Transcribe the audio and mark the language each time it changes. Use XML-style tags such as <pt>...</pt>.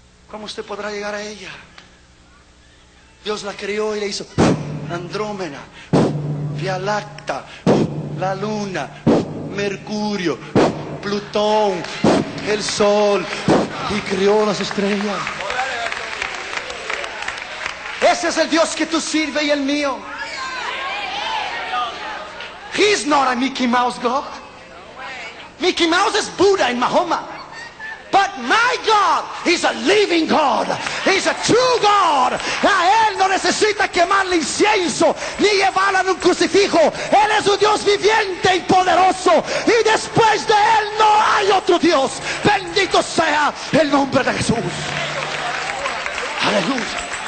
<es>¿Cómo usted podrá llegar a ella? Dios la creó y le hizo Andrómena, Vía Láctea, la Luna, Mercurio, Plutón, el Sol, y creó las estrellas. Ese es el Dios que tú sirves y el mío.</es> <en>He's not a</en> <es>Mickey Mouse God. Mickey Mouse es Buda en Mahoma.</es> <en>But my God is a living God. He's a true God.</en> <es>A Él no necesita quemarle incienso ni llevarlo en un crucifijo. Él es un Dios viviente y poderoso. Y después de Él no hay otro Dios. Bendito sea el nombre de Jesús. Aleluya.</es>